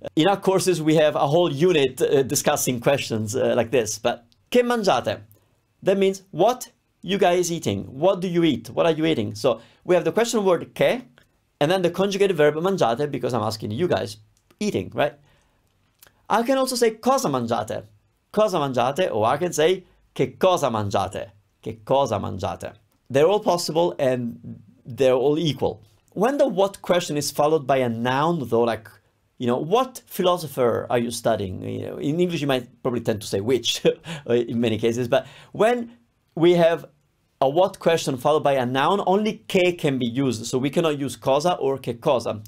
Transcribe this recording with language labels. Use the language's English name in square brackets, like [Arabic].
[English] In our courses, we have a whole unit discussing questions like this. But [Italian] che mangiate? [English] That means what you guys eating? What do you eat? What are you eating? So we have the question word che, and then the conjugated verb mangiate, because I'm asking you guys eating, right? I can also say cosa mangiate. [Italian] Cosa mangiate, [English] or I can say [Italian] che cosa mangiate. Che cosa mangiate. [English] They're all possible and they're all equal. When the what question is followed by a noun, though, like, you know, what philosopher are you studying? You know, in English, you might probably tend to say which in many cases, but when we have a what question followed by a noun, only che can be used. So we cannot use cosa or che cosa.